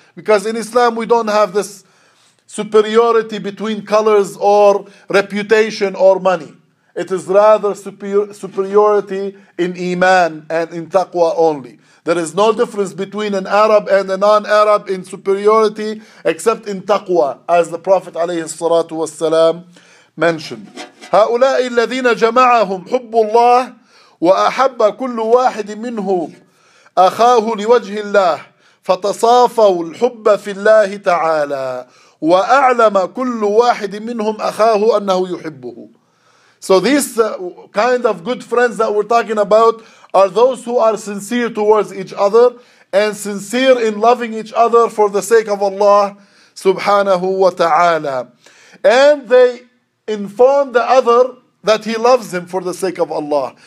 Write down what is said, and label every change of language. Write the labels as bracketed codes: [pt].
[en] Because in Islam we don't have this superiority between colors or reputation or money. It is rather superiority in iman and in taqwa only. There is no difference between an Arab and a non-Arab in superiority except in taqwa, as the Prophet alayhi salatu wasalam mentioned. [ar] هؤلاء الذين جمعهم حب الله وأحب كل واحد منهم أخاه لوجه الله فتصافوا الحب في الله تعالى وأعلم كل واحد منهم أخاه أنه يحبه. [en] So these kind of good friends that we're talking about are those who are sincere towards each other and sincere in loving each other for the sake of Allah subhanahu wa ta'ala. And they inform the other that he loves him for the sake of Allah.